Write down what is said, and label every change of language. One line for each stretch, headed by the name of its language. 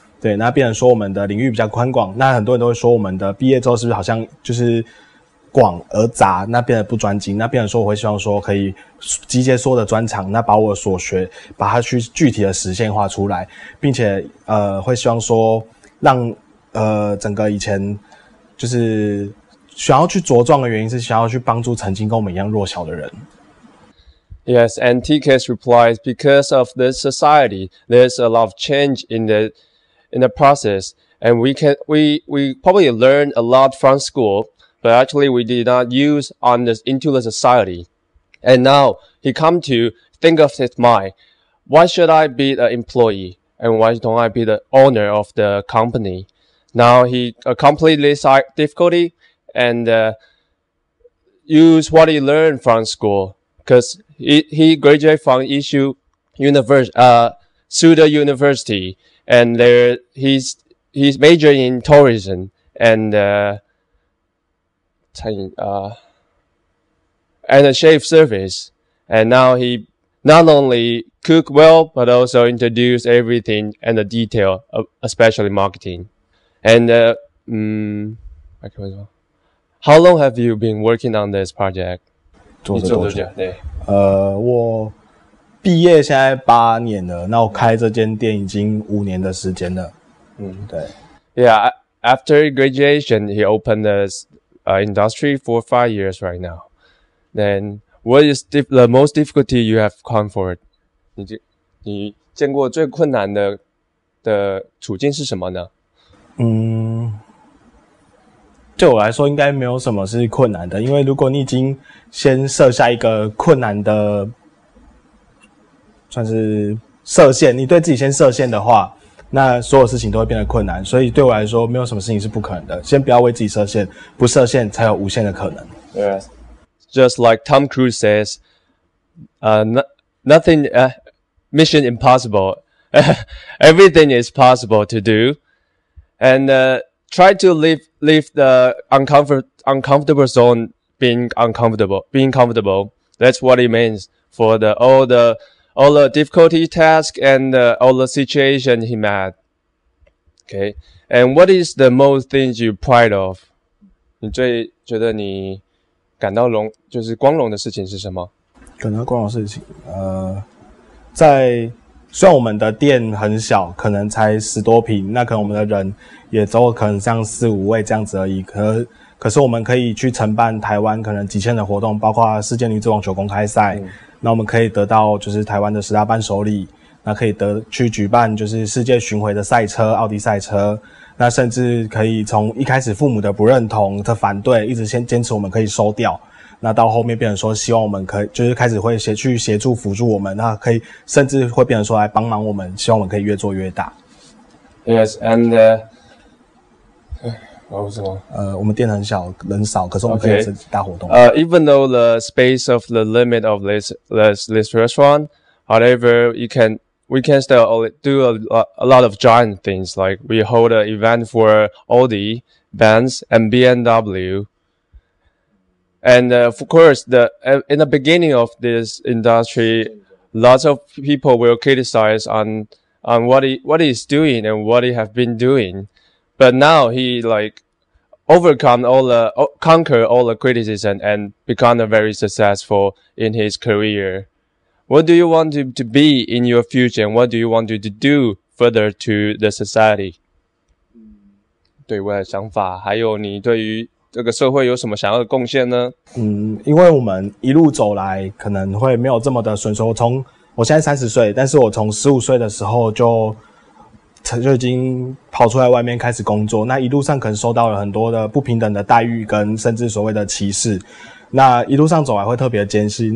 Chinese: 对，那变成说我们的领域比较宽广，那很多人都会说我们的毕业之后是不是好像就是广而杂，那变得不专精，那变成说我会希望说可以集结所有的专长，那把我所学把它去具体的实现化出来，并且会希望说让整个以前就是想要去茁壮的原因是想要去帮助曾经跟我们一样弱小的人。
English: Yes, and TK's replies, because of this society, there's a lot of change in the process, and we probably learn a lot from school, but actually we did not use on this into the society. And now he come to think of his mind, why should I be an employee and why don't I be the owner of the company? Now he completely difficulty and use what he learned from school, because he graduated from pseudo university. And there, he's majoring in tourism and, and a chef service. And now he not only cook well, but also introduce everything and the detail, especially marketing. And, how long have you been working on this project?
Chinese: 做了多久？对，我毕业现在八年了，那我开这间店已经五年的时间了。嗯，对。
English: Yeah, after graduation, he opened this industry for 5 years right now. Then, what is the most difficulty you have come for?
Chinese: 你见过最困难的处境是什么呢？对我来说应该没有什么是困难的，因为如果你已经先设下一个困难的算是设限，你对自己先设限的话，那所有事情都会变得困难。所以对我来说，没有什么事情是不可能的。先不要为自己设限，不设限才有无限的可能。
English: Yes, just like Tom Cruise says, nothing, mission impossible. Everything is possible to do, and try to leave the uncomfortable zone, being comfortable. That's what it means for all the difficulty task and all the situation he met. Okay. And what is the most things you proud of?
Chinese: 你最觉得你感到荣就是光荣的事情是什么？感到光荣的事情，在虽然我们的店很小，可能才十多坪，那可能我们的人也都可能像四五位这样子而已。可是我们可以去承办台湾可能几千的活动，包括世界女子网球公开赛。那我们可以得到就是台湾的十大伴手礼，那可以得去举办就是世界巡回的赛车，奥迪赛车，那甚至可以从一开始父母的不认同的反对，一直先坚持我们可以收掉，那到后面变成说希望我们可以就是开始会协助辅助我们，那可以甚至会变成说来帮忙我们，希望我们可以越做越大。
English: Yes, and
Chinese: 我们店很小，人少，可是我们可以是大活动。
English: Even though the space of the limit of this restaurant, however, we can still do a lot of giant things. Like we hold an event for Audi, Benz, and BMW. And of course, in the beginning of this industry, lots of people will criticize on what he is doing and what he have been doing. But now he like overcome all the conquer all the criticism and become a very successful in his career. What do you want to be in your future, and what do you want to do further to the society?
Chinese: 对我的想法，还有你对于这个社会有什么想要的贡献呢？嗯，因为我们一路走来可能会没有这么的顺遂。我现在30岁，但是我从15岁的时候就已经跑出来外面开始工作，那一路上可能受到了很多的不平等的待遇跟甚至所谓的歧视，那一路上走来会特别艰辛。